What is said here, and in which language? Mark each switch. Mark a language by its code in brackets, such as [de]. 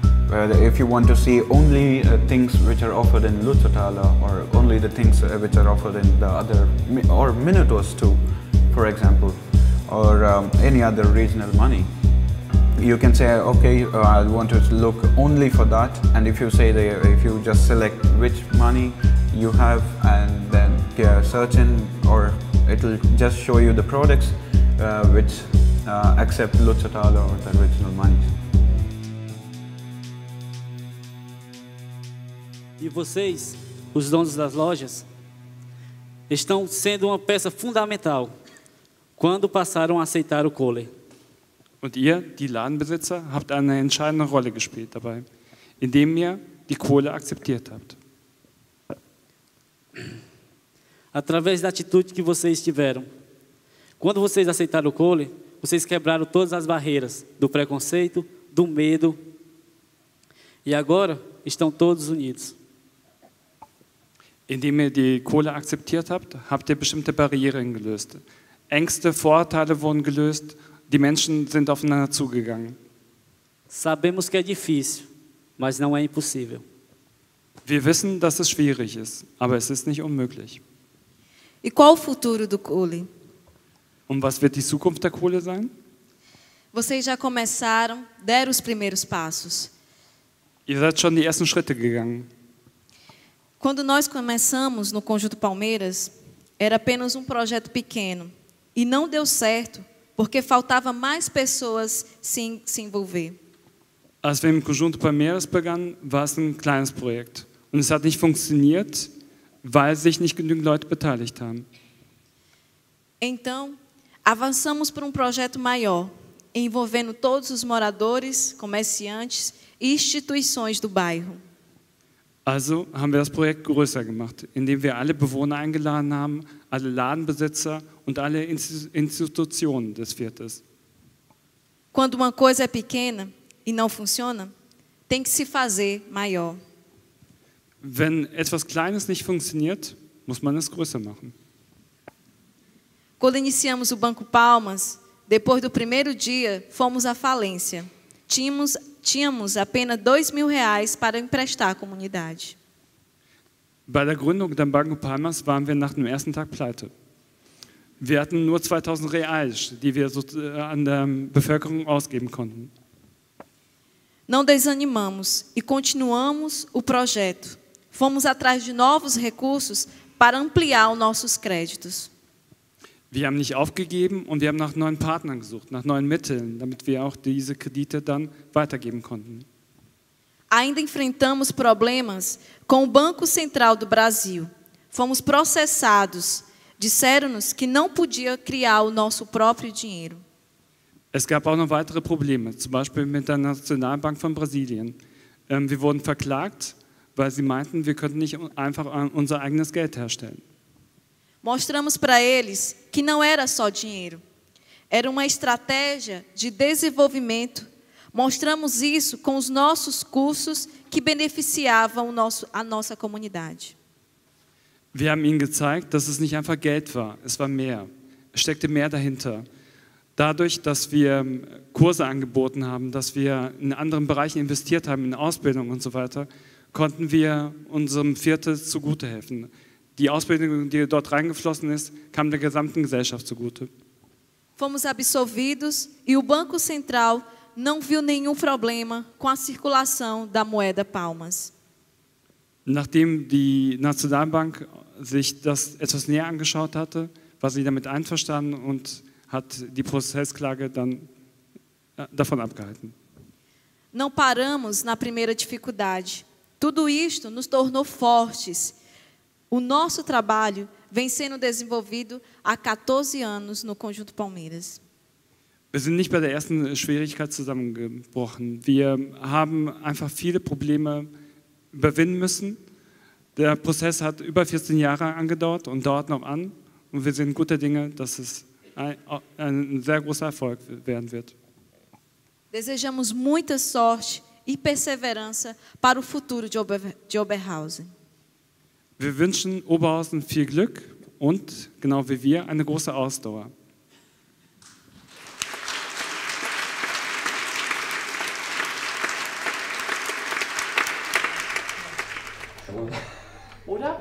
[en] If you want to see only things which are offered in Lutzatala, or only the things which are offered in the other, or minutos too, for example, or any other regional money, you can say, okay, I want to look only for that. And if you say that, if you just select which money you have and then search in, or it'll just show you the products which accept Lutzatala or the regional money. [pt] E vocês, os donos das lojas, estão sendo uma peça fundamental quando passaram a aceitar o Kohle. [de] Und ihr, die Ladenbesitzer, habt eine entscheidende Rolle gespielt dabei, indem ihr die Kohle akzeptiert habt. [pt] Através da atitude que vocês tiveram, quando vocês aceitaram o Kohle, vocês quebraram todas as barreiras do preconceito, do medo, e agora estão todos unidos. [de] Indem ihr die Kohle akzeptiert habt, habt ihr bestimmte Barrieren gelöst. Ängste, Vorurteile wurden gelöst, die Menschen sind aufeinander zugegangen. [pt] Sabemos que é difícil, mas não é impossível. [de] Wir wissen, dass es schwierig ist, aber es ist nicht unmöglich. [pt] E qual o futuro do Kohle? [de] Und was wird die Zukunft der Kohle sein? [pt] Vocês já começaram, deram os primeiros passos. [de] Ihr seid schon die ersten Schritte gegangen. [pt] Quando nós começamos no Conjunto Palmeiras, era apenas projeto pequeno. E não deu certo, porque faltava mais pessoas se envolver. [de] Als wir im Conjunto Palmeiras begannen, war es ein kleines Projekt. Und es hat nicht funktioniert, weil sich nicht genügend Leute beteiligt haben. [pt] Então, avançamos para projeto maior, envolvendo todos os moradores, comerciantes e instituições do bairro. [de] Also haben wir das Projekt größer gemacht, indem wir alle Bewohner eingeladen haben, alle Ladenbesitzer und alle Institutionen des Viertels. [pt] Quando uma coisa é pequena e não funciona, tem que se fazer maior. [de] Wenn etwas Kleines nicht funktioniert, muss man es größer machen. [pt] Quando iniciamos o Banco Palmas, depois do primeiro dia, fomos à falência. Tínhamos apenas R$2.000 para emprestar à comunidade. [de] Bei der Gründung des Banco Palmas waren wir nach dem ersten Tag pleite. Wir hatten nur R$2.000, die wir so an der Bevölkerung ausgeben konnten. [pt] Não desanimamos e continuamos o projeto. Fomos atrás de novos recursos para ampliar os nossos créditos. [de] Wir haben nicht aufgegeben und wir haben nach neuen Partnern gesucht, nach neuen Mitteln, damit wir auch diese Kredite dann weitergeben konnten. [pt] Ainda enfrentamos problemas com o Banco Central do Brasil. Fomos processados. Disseram-nos que não podia criar o nosso próprio dinheiro. [de] Es gab auch noch weitere Probleme, zum Beispiel mit der Nationalbank von Brasilien. Wir wurden verklagt, weil sie meinten, wir könnten nicht einfach unser eigenes Geld herstellen. [pt] Mostramos para eles que não era só dinheiro, era uma estratégia de desenvolvimento. Mostramos isso com os nossos cursos que beneficiavam a nossa comunidade. [de] Wir haben ihnen gezeigt, dass es nicht einfach Geld war, es war mehr. Es steckte mehr dahinter. Dadurch, dass wir Kurse angeboten haben, dass wir in anderen Bereichen investiert haben, in Ausbildung und so weiter, konnten wir unserem Viertel zugute helfen. Die Ausbildung, die dort reingeflossen ist, kam der gesamten Gesellschaft zugute. [pt] Fomos absolvidos e o Banco Central não viu nenhum problema com a circulação da moeda Palmas. [de] Nachdem die Nationalbank sich das etwas näher angeschaut hatte, war sie damit einverstanden und hat die Prozessklage dann davon abgehalten. [pt] Não paramos na primeira dificuldade. Tudo isto nos tornou fortes. O nosso trabalho vem sendo desenvolvido há 14 anos no Conjunto Palmeiras. [de] Wir sind nicht bei der ersten Schwierigkeit zusammengebrochen. Wir haben einfach viele Probleme überwinden müssen. Der Prozess hat über 14 Jahre angedauert und dauert noch an. Und wir sehen gute Dinge, dass es ein sehr großer Erfolg werden wird. [pt] Desejamos muita sorte e perseverança para o futuro de Oberhausen. [de] Wir wünschen Oberhausen viel Glück und, genau wie wir, eine große Ausdauer. Oder?